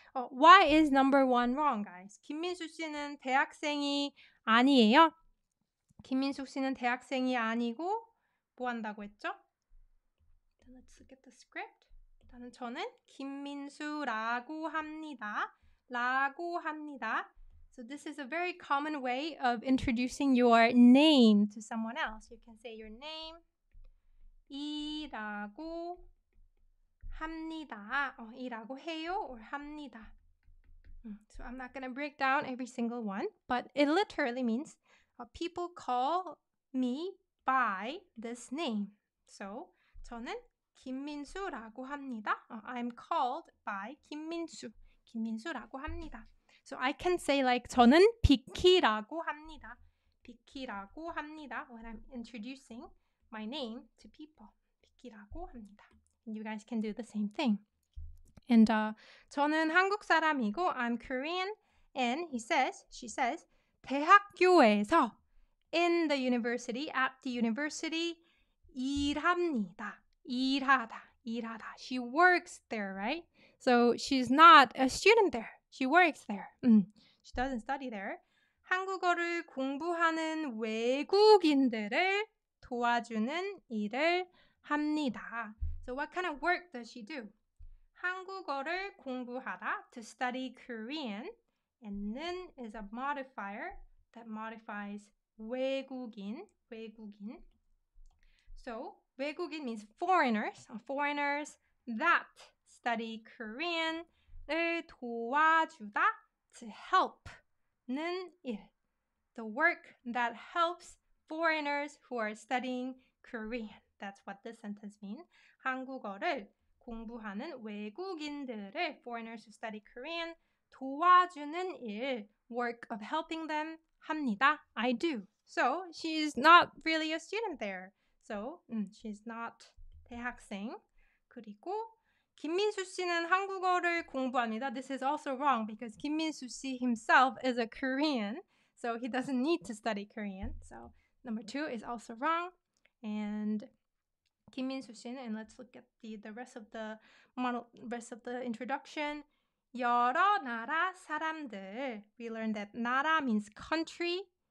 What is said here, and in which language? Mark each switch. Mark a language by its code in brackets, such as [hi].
[en] Why is number one wrong, guys? [ko] 김민숙 씨는 대학생이 아니에요. 김민숙 씨는 대학생이 아니고 뭐 한다고 했죠? [en] Let's look at the script. [ko] 일단은 저는 김민수라고 합니다. 라고 합니다. [en] So this is a very common way of introducing your name to someone else. You can say your name. [ko] 이라고 합니다. 이라고 해요 or 합니다. [en] So I'm not gonna break down every single one, but it literally means people call me by this name. [ko] So 저는 김민수라고 합니다. [en] I'm called by 김민수. [ko] 김민수라고 합니다. [en] So I can say like [ko] 저는 비키라고 합니다. 비키라고 합니다. [en] When I'm introducing my name to people, 비키라고 합니다. You guys can do the same thing. And [ko] 저는 한국 사람이고 [en] I'm Korean. And he says, she says, 대학교에서 in the university, at the university, [ko] 일합니다. 일하다. 일하다. [en] She works there, right? So she's not a student there. She works there. She doesn't study there. [ko] 한국어를 공부하는 외국인들을 도와주는 일을 합니다. [en] So what kind of work does she do? [ko] 한국어를 공부하다, [en] to study Korean, and 는 is a modifier that modifies 외국인, 외국인. So 외국인 means foreigners, foreigners that study Korean [ko] 을 도와주다, [en] to help 는 일. The work that helps foreigners who are studying Korean. That's what this sentence means. [ko] 한국어를 공부하는 외국인들을, [en] foreigners who study Korean, [ko] 도와주는 일, [en] work of helping them, 합니다. I do. So, she's not really a student there. So, she's not 대학생. [ko] 그리고, 김민수 씨는 한국어를 공부합니다. [en] This is also wrong because 김민수 씨 himself is a Korean. So he doesn't need to study Korean. So number two is also wrong. And [ko] 김민수 씨는, [en] and let's look at the rest of the model, rest of the introduction. [ko] 여러 나라 사람들. [en] We learned that 나라 means country.